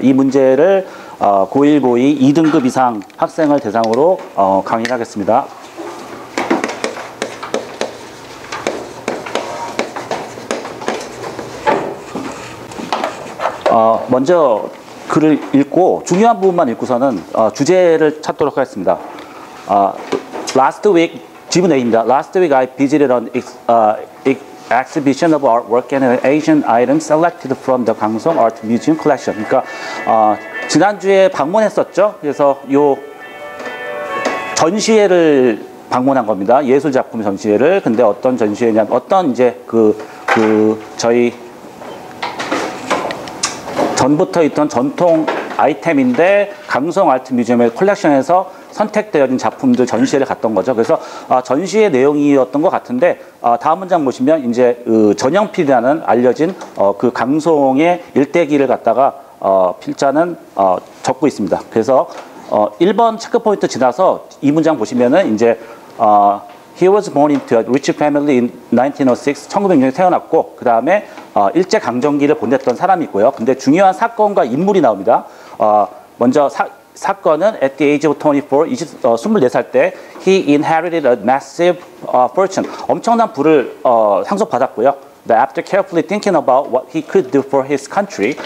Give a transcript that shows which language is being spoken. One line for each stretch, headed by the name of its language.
Korean: 이 문제를 고1, 고2 2등급 이상 학생을 대상으로 강의를 하겠습니다. 먼저 글을 읽고 중요한 부분만 읽고서는 주제를 찾도록 하겠습니다.
English: Last week,
Korean: 질문 A입니다.
English: Last week I visited an exhibition of artwork and an Asian item selected from the Gangseong Art Museum collection.
Korean: 그러니까 지난주에 방문했었죠. 그래서 요 전시회를 방문한 겁니다. 예술 작품 전시회를. 근데 어떤 전시회냐? 어떤 이제 그 저희 전부터 있던 전통 아이템인데 강성 아트 뮤지엄의 컬렉션에서 선택되어진 작품들 전시회를 갔던 거죠. 그래서 전시회 내용이었던 것 같은데 다음 문장 보시면 이제 전영필이라는 알려진 그 강성의 일대기를 갖다가 필자는 적고 있습니다. 그래서 1번 체크포인트 지나서 이 문장 보시면은 이제
English: He was born into a rich family in 1906,
Korean: 1906년에 태어났고 그 다음에 일제강점기를 보냈던 사람이고요. 근데 중요한 사건과 인물이 나옵니다. 먼저 사건은 at the age of 24살 때 he inherited a massive fortune. 엄청난 부를 상속받았고요.
English: After carefully thinking about what he could do for his country.